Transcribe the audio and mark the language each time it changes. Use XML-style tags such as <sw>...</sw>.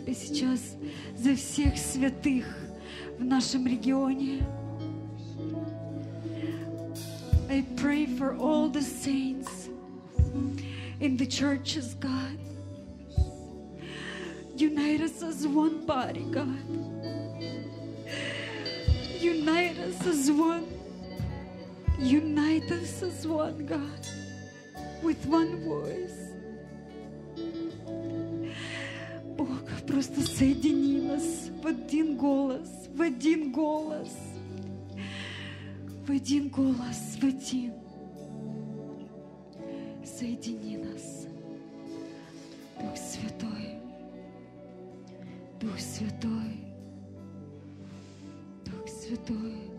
<ru>сейчас за всех святых в нашем регионе.</ru> <en>I pray for all the saints in the churches, God. Unite us as one body, God. Unite us as one. Unite us as one, God, with one voice.</en> <ru>Бог, просто соедини нас в один голос, в один голос, в один голос, в один. Соедини нас, Дух Святой, Дух Святой, Дух Святой.</ru>